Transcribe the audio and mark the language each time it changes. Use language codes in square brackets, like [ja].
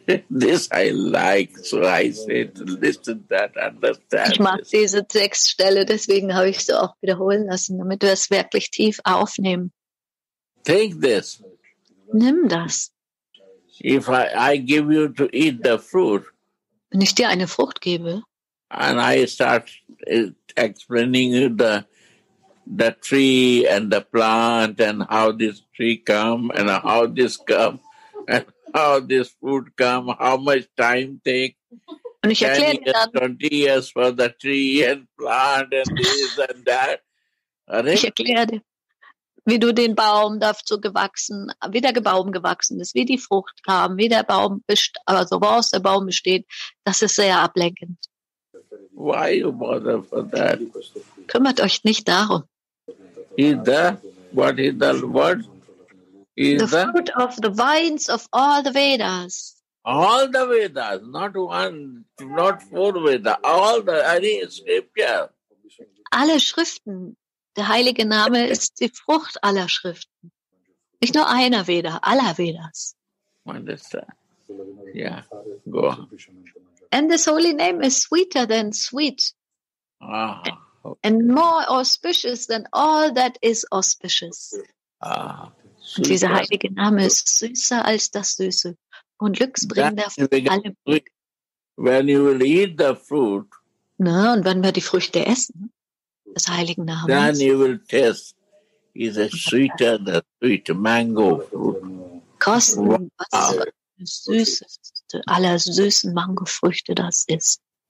[en] This I like, so I said, listen that, understand. [de] Ich mag diese Textstelle, deswegen habe ich sie auch wiederholen lassen, damit wir es wirklich tief aufnehmen. [en] Take this. [de] Nimm das. [en] If I give you to eat the fruit, [de] wenn ich dir eine Frucht gebe, [en] and I start explaining you the the tree and the plant and how this tree come and how this come and how this food come, how much time take. [de] Und ich erkläre [en] 10 years, 20 years for the tree and plant and this and that. [de] Ich erkläre dir, wie du den Baum dazu gewachsen, wie der Baum gewachsen ist, wie die Frucht kam, wie der Baum besteht, also woraus der Baum besteht. Das ist sehr ablenkend. [en] Why you bother for that? [de] Kümmert euch nicht darum. [en] Is the, what is the word? Is the fruit the? Of the vines of all the Vedas. All the Vedas, not one, not four Vedas, all the any scripture. [de] Alle Schriften. Der heilige Name ist die Frucht aller Schriften. Nicht nur einer Veda, aller Vedas. [en] Understand. Yeah. Go. And this holy name is sweeter than sweet. Okay. And more auspicious than all that is auspicious. [de] Und dieser heilige Name ist süßer als das Süße und glücksbringender von allem. [en] When you will eat the fruit. [de] Na, und wenn wir die Früchte essen, des heiligen Namens. [en] Then you will taste, is a sweeter than sweet mango fruit. [de] Kosten, was süßeste aller süßen Mangofrüchte das ist.